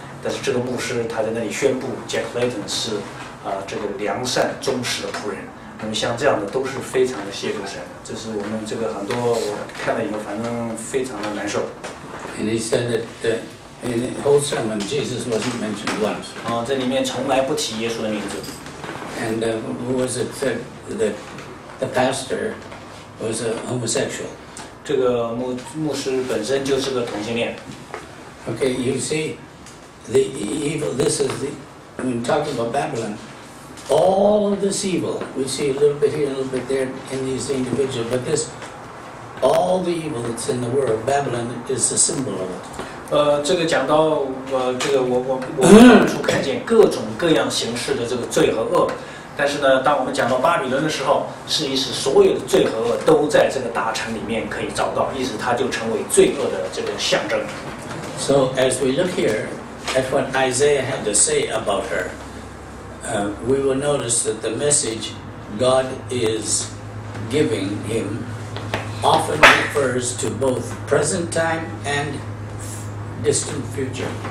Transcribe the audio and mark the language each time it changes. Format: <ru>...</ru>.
<zh>我们要送给他一句话，这个字是什么呢？他是说是，你是一个良善忠实的仆人。大家记得，这个话只有上帝对他的圣徒、对那忠心的仆人所讲的话。但是这个牧师他在那里宣布 ，Jack Layton 是这个良善忠实的仆人。那么像这样的都是非常的亵渎神的，这是我们这个很多我看了以后，反正非常的难受。</zh> <en>And he said that. In the whole sermon, Jesus wasn't mentioned once.</en> <zh>这里面从来不提耶稣的名字。</zh> <en>And who was it that the pastor was a homosexual?</en> <zh>这个牧师本身就是个同性恋。</zh> <en>Okay, you see, the evil, this is the, when talking about Babylon, all of this evil, we see a little bit here, a little bit there in these individuals, but this, all the evil that's in the world, Babylon is a symbol of it.</en> <zh>这个讲到，这个我到处看见各种各样形式的这个罪和恶，但是呢，当我们讲到巴比伦的时候，是意思所有的罪和恶都在这个大城里面可以找到，意思它就成为罪恶的这个象征。</zh> <en>So as we look here at what Isaiah had to say about her, we will notice that the message God is giving him often refers to both present time and distant future.</en>